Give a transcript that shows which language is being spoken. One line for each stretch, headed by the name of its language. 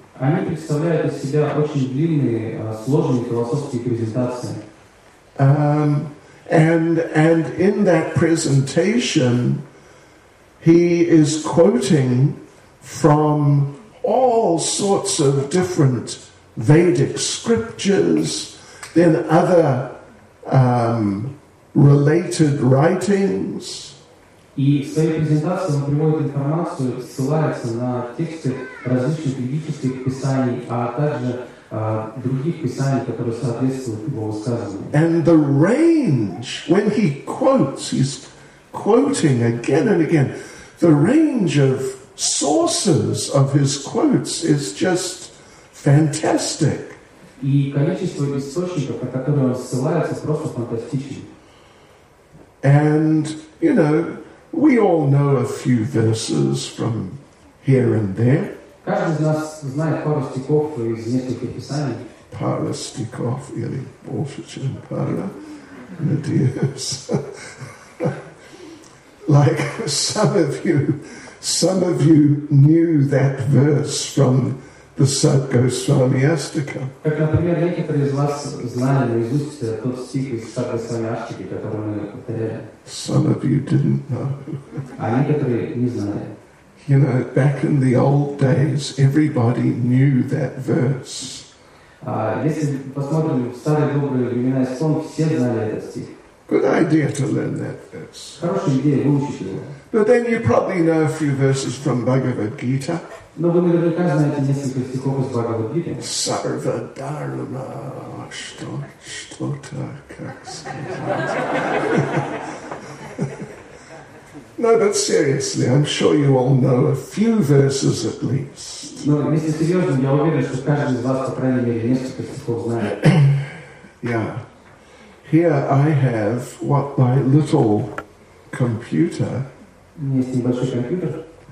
English: And in that presentation, he is quoting from all sorts of different Vedic scriptures, then other related writings.
Russian: Ссылается на тексты различных ведических писаний, а также других писаний, которые соответствуют его высказыванию.
English: And the range, when he quotes, he's quoting again and again, the range of sources of his quotes is just fantastic.
Russian: И количество источников, от которых он ссылается, просто фантастичное.
English: And, you know, we all know a few verses from here and there.
Russian: Каждый из нас знает пару стихов из нескольких писаний. Пару стихов или больше, чем пара. Надеюсь.
English: Like some of you knew that verse from the Sat Goswami Astika.
Russian: Как, например, некоторые из вас знали наизусть тот стих из Сат Госвами Астики, который мы повторяли.
English: Some of you didn't know.
Russian: А некоторые не знали.
English: You know, back in the old days, everybody knew that verse.
Russian: Если посмотрим в старые добрые времена, все знали этот стих.
English: Good idea to learn that verse.
Russian: Хорошая идея выучить его.
English: But then you probably know a few verses from Bhagavad Gita.
Russian: Но вы наверняка знаете несколько стихов из Бхагавад Гиты.
Sanskrit: Sarva dharma ashto shtota kaksa.
English: No, but seriously, I'm sure you all know a few verses at least.
Russian: Но если серьезно, я уверен, что каждый из вас по крайней мере несколько стихов знает.
English: Yeah. Here I have what my little computer.
Russian: Есть небольшой компьютер.